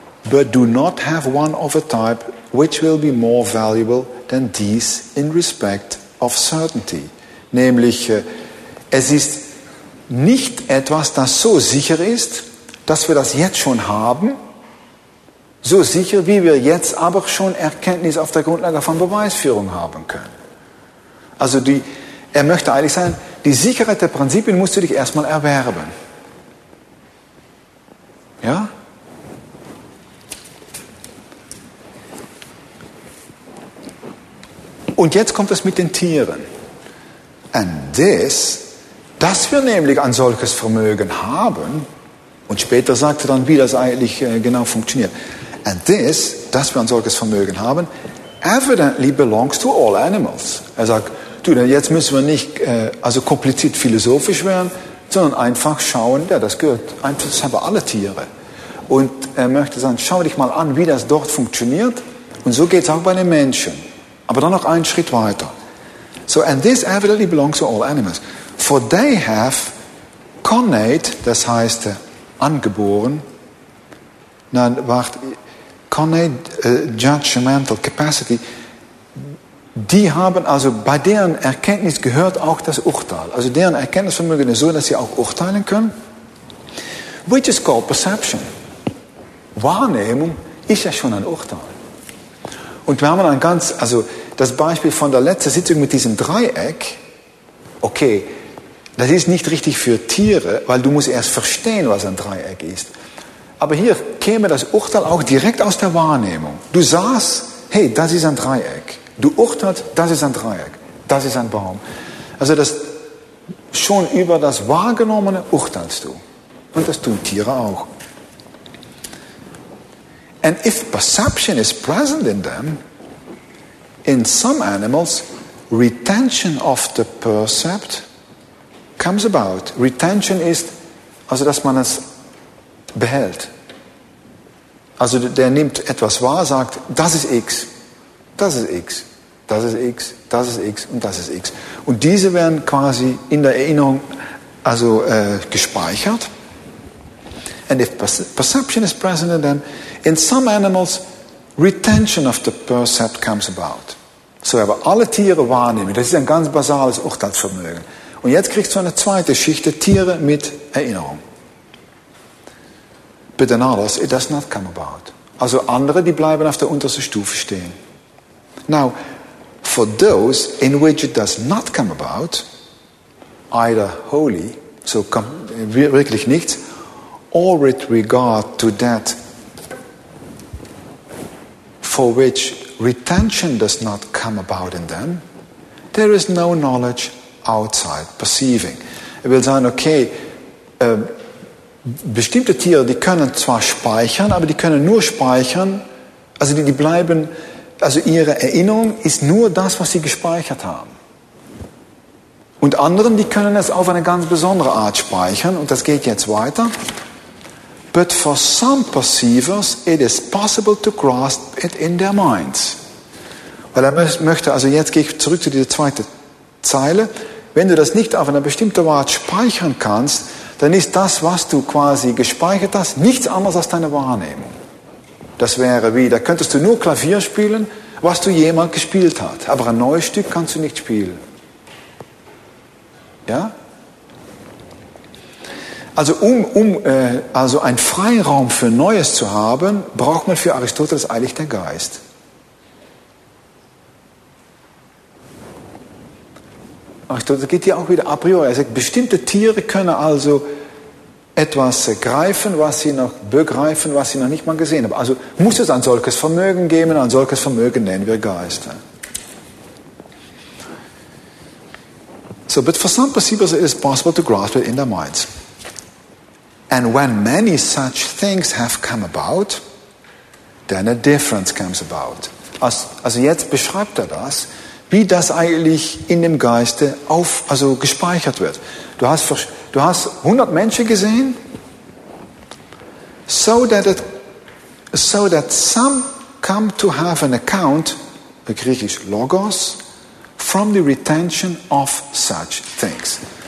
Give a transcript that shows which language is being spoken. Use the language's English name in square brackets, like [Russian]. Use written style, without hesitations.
[English] But do not have one of a type which will be more valuable than these in respect of certainty. [German] Nämlich, es ist nicht etwas, das so sicher ist, dass wir das jetzt schon haben. So sicher, wie wir jetzt aber schon Erkenntnis auf der Grundlage von Beweisführung haben können. Also er möchte eigentlich sagen, die Sicherheit der Prinzipien musst du dich erstmal erwerben. Ja? Und jetzt kommt es mit den Tieren. [English] And this, [German] dass wir nämlich ein solches Vermögen haben, und später sagt er dann, wie das eigentlich genau funktioniert, [English] and this, [German] dass wir ein solches Vermögen haben, [English] evidently belongs to all animals. [German] Er sagt, du, jetzt müssen wir nicht also kompliziert philosophisch werden, sondern einfach schauen, ja, das gehört einfach selber alle Tiere. Und er möchte sagen, schau dich mal an, wie das dort funktioniert. Und so geht es auch bei den Menschen. Aber dann noch einen Schritt weiter. [English] So, and this evidently belongs to all animals. For they have connate, [German] das heißt angeboren, nein, warte, [English] connate judgmental capacity, [German] die haben also bei deren Erkenntnis gehört auch das Urteil. Also deren Erkenntnisvermögen ist so, dass sie auch urteilen können. [English] Which is called perception. [German] Wahrnehmung ist ja schon ein Urteil. Und wir haben ein ganz, also das Beispiel von der letzten Sitzung mit diesem Dreieck, okay, das ist nicht richtig für Tiere, weil du musst erst verstehen, was ein Dreieck ist. Aber hier käme das Urteil auch direkt aus der Wahrnehmung. Du sahst, hey, das ist ein Dreieck. Du urteilst, das ist ein Dreieck, das ist ein Baum. Also das schon über das Wahrgenommene urteilst du. Und das tun Tiere auch. [English] And if perception is present in them, in some animals, retention of the percept comes about. [German] Retention ist, also dass man es behält. Also der nimmt etwas wahr, sagt, das ist X, das ist X, das ist X, das ist X und das ist X. Und diese werden quasi in der Erinnerung also gespeichert. [English] And if perception is present in them, in some animals, retention of the percept comes about. [German] So, aber alle Tiere wahrnehmen, das ist ein ganz basales Urteilsvermögen. Und jetzt kriegst du eine zweite Schicht, Tiere mit Erinnerung. [English] But in others, it does not come about. [German] Also andere, die bleiben auf der untersten Stufe stehen. [English] Now, for those in which it does not come about, either wholly, [German] so wirklich nichts, [English] or with regard to that for which retention does not come about in them, there is no knowledge outside perceiving. [German] Er will sagen, okay, bestimmte Tiere, die können zwar speichern, aber die können nur speichern, also die bleiben, also ihre Erinnerung ist nur das, was sie gespeichert haben. Und anderen, die können es auf eine ganz besondere Art speichern, und das geht jetzt weiter. [English] But for some perceivers, it is possible to grasp it in their minds. [German] Weil er möchte, also jetzt gehe ich zurück zu dieser zweiten Zeile. Wenn du das nicht auf eine bestimmte Art speichern kannst, dann ist das, was du quasi gespeichert hast, nichts anderes als deine Wahrnehmung. Das wäre wie, da könntest du nur Klavier spielen, was du jemals gespielt hast. Aber ein neues Stück kannst du nicht spielen. Ja? Also also einen Freiraum für Neues zu haben, braucht man für Aristoteles eigentlich den Geist. Aristoteles geht hier auch wieder a priori. Er sagt, bestimmte Tiere können also etwas greifen, was sie noch begreifen, was sie noch nicht mal gesehen haben. Also muss es ein solches Vermögen geben, ein solches Vermögen nennen wir Geist. [English] So, but for some perceivers it is possible to grasp it in their minds. And when many such things have come about, then a difference comes about. [German] Also jetzt beschreibt er das, wie das eigentlich in dem Geiste also gespeichert wird. Du hast 100 Menschen gesehen, [English] so that some come to have an account, [German] griechisch [English] logos, from the retention of such things.